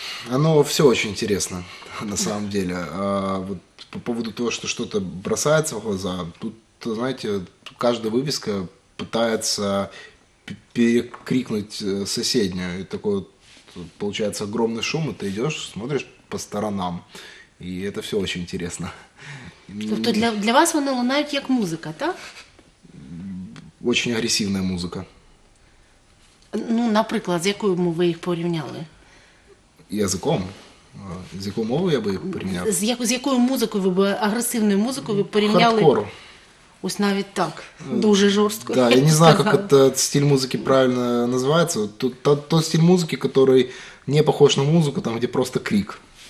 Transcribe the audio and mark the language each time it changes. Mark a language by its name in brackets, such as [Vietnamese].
[Ukrainian] Ну, все дуже цікаво, на самом деле. А вот по поводу того, що что-то бросається в глаза, тут, знаєте, кожна вивіска пытается перекрикнуть сусідню. І такий виходить огромний шум, і ти йдеш, смотриш по сторонам. І це все дуже цікаво. Тобто для вас вони лунають як музика, так? [Russian] Очень агресивная музыка. Ну, например, с какой мовой их порівняли? Языком. С какой мовой я бы их порівнял? С какой музыкой вы бы, агрессивной музыкой вы порівняли? Хардкору. [Ukrainian] Ось навіть так, дуже жорстко. [Russian] Да, я не знаю, как этот стиль музыки правильно называется. Тот стиль музыки, который не похож на музыку, там где просто крик.